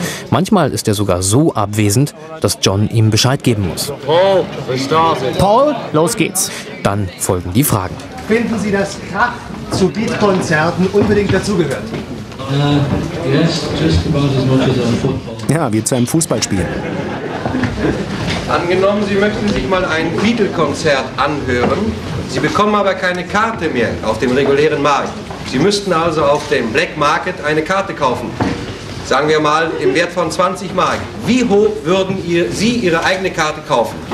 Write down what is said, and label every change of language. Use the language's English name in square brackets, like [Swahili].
[German] Manchmal ist er sogar so abwesend, dass John ihm Bescheid geben muss. Paul, los geht's. Dann folgen die Fragen. Finden Sie, dass Krach zu Beat-Konzerten unbedingt dazugehört? [English] Yes, just about as much as a football. [German] Ja, wie zu einem Fußballspiel. Angenommen, Sie möchten sich mal ein Beat-Konzert anhören, Sie bekommen aber keine Karte mehr auf dem regulären Markt. Sie müssten also auf dem Black Market eine Karte kaufen. Sagen wir mal, im Wert von 20 Mark. Wie hoch würden Sie Ihre eigene Karte kaufen?